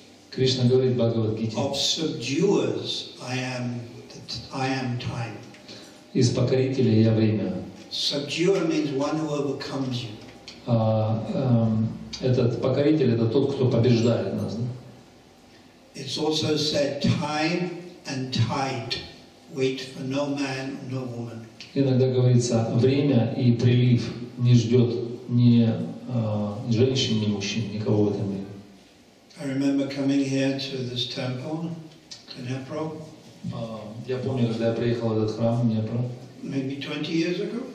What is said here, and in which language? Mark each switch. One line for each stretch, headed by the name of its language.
Russian: Кришна говорит в Бхагавад-гите.
English: Of subduers I am time.
Russian: Из покорителей я время.
English: Subduer means one who overcomes you.
Russian: Этот покоритель это тот, кто побеждает нас, да?
English: It's also said time and tide wait for no man, no woman.
Russian: Иногда говорится время и прилив не ждет ни женщин, ни мужчин, никого в этом мире.
English: I remember coming here to this temple, Dnepro.
Russian: Я помню, когда я приехал в этот храм, Днепро.
English: Maybe 20 years ago.